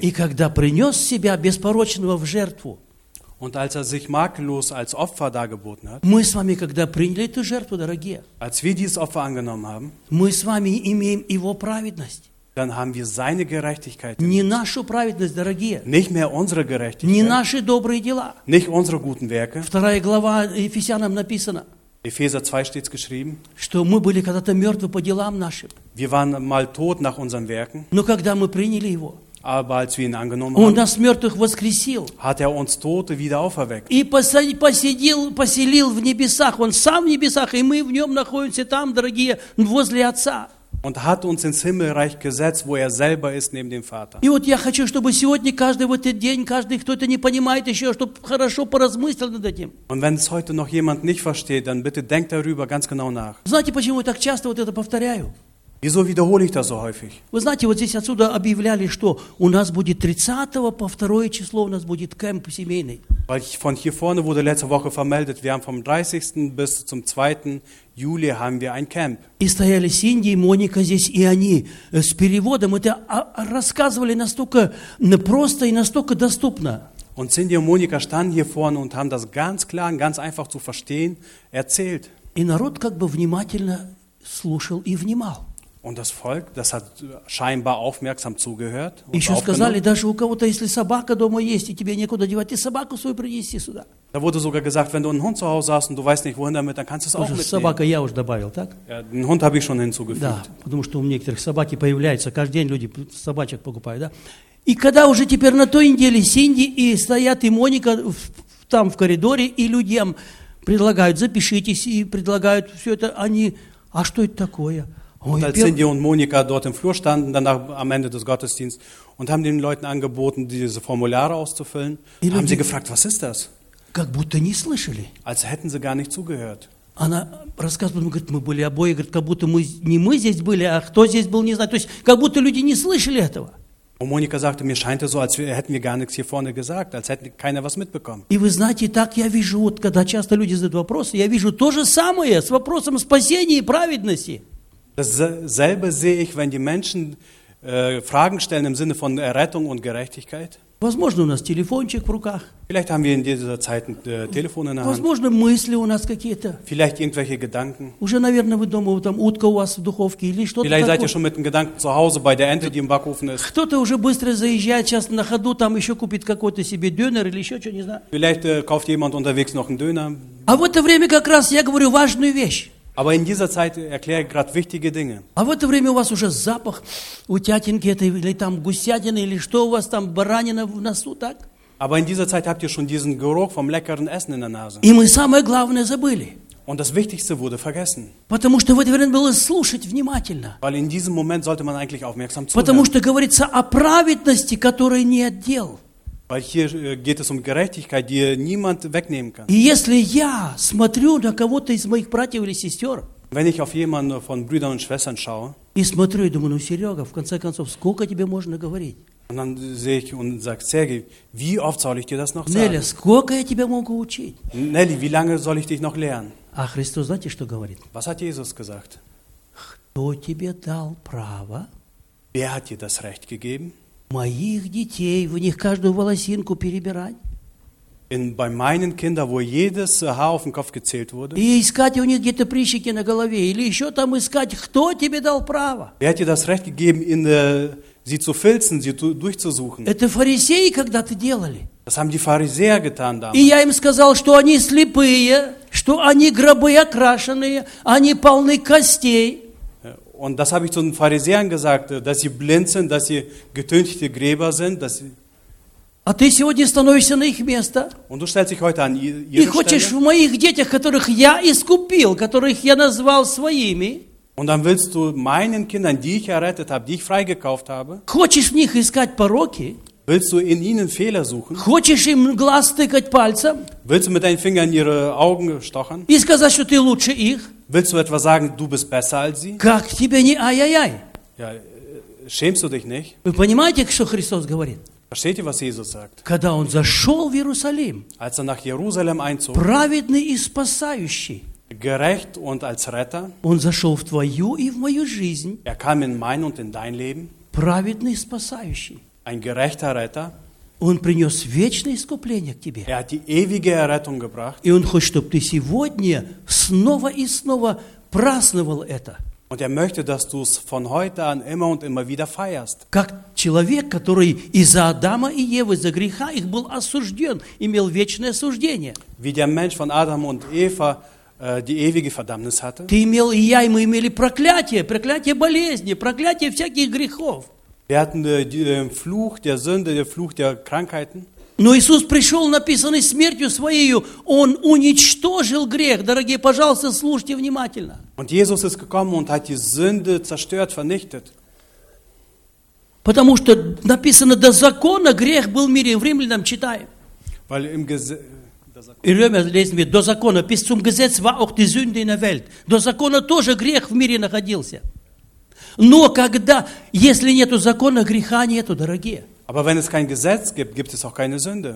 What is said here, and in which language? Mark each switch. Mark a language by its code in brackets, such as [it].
[ru] И когда принес себя беспорочного в жертву, [de] und als er sich makellos als Opfer dargeboten hat, [ru] мы с вами когда приняли эту жертву, дорогие, [de] als wir dieses Opfer angenommen haben, [ru] мы с вами имеем его праведность, [de] dann haben wir seine Gerechtigkeit, [ru] не нашу праведность, дорогие, [de] nicht mehr unsere Gerechtigkeit, [ru] не наши добрые дела, [de] nicht unsere guten Werke. [ru] 2 глава Ефесянам написано, [de] Epheser 2 steht geschrieben, [ru] что мы были когда-то мертвы по делам нашим, [de] wir waren mal tot nach unseren Werken, [ru] но когда мы приняли его, [de] aber als wir ihn angenommen und [ru] нас мертвых воскресил, [de] hat er uns Tote wieder auferweckt. [ru] И поселил в небесах, он сам в небесах, и мы в нем находимся там, дорогие, возле Отца. [de] Und hat uns ins Himmelreich gesetzt, wo er selber ist, neben dem Vater. [ru] И вот я хочу, чтобы сегодня каждый в этот день, каждый, кто это не понимает еще, чтобы хорошо поразмыслил над этим. [de] Und wenn es heute noch jemand nicht versteht, dann bitte denkt darüber ganz genau nach. [ru] Знаете, почему я так часто вот это повторяю? [de] Wieso wiederhole ich das so häufig? [ru] Вы знаете, вот здесь отсюда объявляли, что у нас будет 30 по 2 число у нас будет кемп семейный. [de] Weil von hier vorne wurde letzte Woche vermeldet, wir haben vom 30. bis zum 2. Juli haben wir ein Camp. [ru] И стояли Синди и Моника здесь, и они с переводом это рассказывали настолько просто и настолько доступно. [de] Und Cindy und Monika standen hier vorne und haben das ganz klar, ganz einfach zu verstehen erzählt. [ru] И народ как бы внимательно слушал и внимал. [de] Und das Volk, das hat scheinbar aufmerksam zugehört. [ru] Еще сказали, даже у кого-то, если собака дома есть, и тебе некуда девать, и собаку свою принести сюда. [de] Da wurde sogar gesagt, wenn du einen Hund zu Hause hast und du weißt nicht, wohin damit, dann kannst du es auch mitnehmen. [ru] Собака я уже добавил, так? [de] Den Hund habe ich schon hinzugefügt. [ru] Да, потому что у некоторых собаки появляются, каждый день люди собачек покупают, да? И когда уже теперь на той неделе Синди и стоят и Моника там в коридоре, и людям предлагают, запишитесь, и предлагают все это, они, а что это такое? [de] Und als Cindy und Monika dort im Flur standen, danach am Ende des Gottesdienstes und haben den Leuten angeboten, diese Formulare auszufüllen, haben [ru] люди, [de] sie gefragt, was ist das? [ru] Как будто не слышали. [de] Als hätten sie gar nicht zugehört. [ru] Она рассказывает, говорит, мы были обои, говорит, как будто мы не мы здесь были, а кто здесь был, не знаю. То есть, как будто люди не слышали этого. [de] Und Monika sagte, mir scheint es so, als hätten wir gar nichts hier vorne gesagt, als hätte keiner was mitbekommen. [ru] И вы знаете, так я вижу, вот, когда часто люди задают вопросы, я вижу то же самое с вопросом спасения и праведности. [de] Dasselbe sehe ich, wenn die Menschen Fragen stellen im Sinne von Errettung und Gerechtigkeit. [ru] Возможно, у нас телефончик в руках. [de] Vielleicht haben wir in dieser Zeit Telefon in der Hand. [ru] Возможно, мысли у нас какие-то. [de] Vielleicht irgendwelche Gedanken. [ru] Уже, наверное, вы дома, там утка у вас в духовке или что-то. [de] Vielleicht seid ihr schon mit dem Gedanken zu Hause bei der Ente, die im Backofen ist. [ru] Кто-то уже быстро заезжает сейчас на ходу, там еще купит какой-то себе дюнер или еще что, не знаю. [de] Vielleicht kauft jemand unterwegs noch einen Döner. [ru] А в это время как раз я говорю важную вещь. [de] Aber in dieser Zeit erkläre ich gerade wichtige Dinge. [ru] А в это время у вас уже запах утятинки этой или там гусятины или что у вас там баранина в носу, так? [de] Aber in dieser Zeit habt ihr schon diesen Geruch vom leckeren Essen in der Nase. [ru] И мы самое главное забыли. [de] Und das Wichtigste wurde vergessen. [ru] Потому что в это время было слушать внимательно. [de] Weil in diesem Moment sollte man eigentlich aufmerksam zuhören. [ru] Потому что говорится о праведности, которой нет дел. [de] Weil hier geht es Gerechtigkeit, die niemand wegnehmen kann. [ru] И если я смотрю на кого-то из моих братьев или сестер, [de] wenn ich auf jemanden von Brüdern und Schwestern schaue, [ru] и смотрю и думаю, ну Серега, в конце концов, сколько тебе можно говорить? [de] Und dann sehe ich und sage, Sergej, wie oft soll ich dir das noch Nelly, sagen? [ru] Сколько я тебя могу учить? [de] Nelly, wie lange soll ich dich noch lernen? [ru] А Христос, знаете, что говорит? [de] Was hat Jesus gesagt? [ru] Кто тебе дал право? [de] Wer hat dir das Recht gegeben? [ru] Моих детей, в них каждую волосинку перебирать. [de] bei meinen Kindern, wo jedes Haar auf dem Kopf gezählt wurde. [ru] И искать у них где-то прыщики на голове или еще там искать, кто тебе дал право? [de] Wer hat dir das Recht gegeben, in sie zu filzen, sie durchzusuchen? [ru] Это фарисеи когда-то делали. [de] Das haben die Pharisäer getan damals. [ru] И я им сказал, что они слепые, что они гробы окрашенные, они полны костей. [de] Und das habe ich zu den Pharisäern gesagt, dass sie blind sind, dass sie getünchte Gräber sind, dass sie... [ru] А ты сегодня становишься на их место. [de] Und du stellst dich heute an ihre Stelle. [ru] И хочешь в моих детях, которых я искупил, которых я назвал своими. [de] Und dann willst du meinen Kindern, die ich errettet habe, die ich freigekauft habe. [ru] Хочешь в них искать пороки? [de] Willst du in ihnen Fehler suchen? [ru] Хочешь им глаз тыкать пальцем? [de] Willst du mit deinen Fingern ihre Augen stochern? [ru] И сказать, что ты лучше их? [de] Willst du etwa sagen, du bist besser als sie? [ru] Как тебе не ай-яй-яй? [de] Ja, schämst du dich nicht? [ru] Вы понимаете, что Христос говорит? [de] Versteht ihr, was Jesus sagt? [ru] Когда он зашел в Иерусалим, [de] als er nach Jerusalem einzog, [ru] праведный и спасающий, [de] gerecht und als Retter, [ru] он зашел в твою и в мою жизнь, [de] er kam in mein und in dein Leben, [ru] праведный и спасающий, [de] ein gerechter Retter, [ru] он принес вечное искупление к тебе, [de] er hat die ewige Errettung gebracht, [ru] и он хочет, чтобы ты сегодня снова и снова праздновал это. [de] Und er möchte, dass du es von heute an immer und immer wieder feierst. [ru] Как человек, который из-за Адама и Евы за греха их был осужден, имел вечное осуждение. [de] Wie der Mensch von Adam und Eva die ewige Verdammnis hatte. [ru] Ты имел и я, и мы имели проклятие, проклятие болезни, проклятие всяких грехов. [de] Wir hatten den Fluch der Sünde, den Fluch der Krankheiten. [ru] Но Иисус пришел, написанный смертью Своею, Он уничтожил грех. Дорогие, пожалуйста, слушайте внимательно. [de] Und Jesus ist gekommen und hat die Sünde zerstört, vernichtet. [ru] Потому что написано, до закона грех был в мире. В Римлянам читаем. [de] Weil im In Römer lesen wir, [ru] до закона, [de] bis zum Gesetz war auch die Sünde in der Welt. [ru] До закона тоже грех в мире находился. Но когда, если нету закона, греха нету, дорогие. [de] Aber wenn es kein Gesetz gibt, gibt es auch keine Sünde.